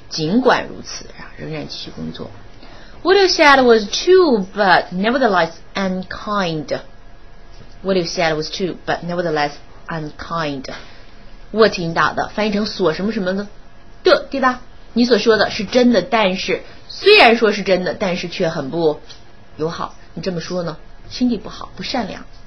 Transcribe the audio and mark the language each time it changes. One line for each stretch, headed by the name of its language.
Chinese: 尽管如此，仍然继续工作。
English: What you said was true, but nevertheless unkind. What you said was true, but nevertheless unkind.
Chinese: what 引导的翻译成所什么什么的，对吧？你所说的是真的，但是虽然说是真的，但是却很不友好。你这么说呢，心地不好，不善良。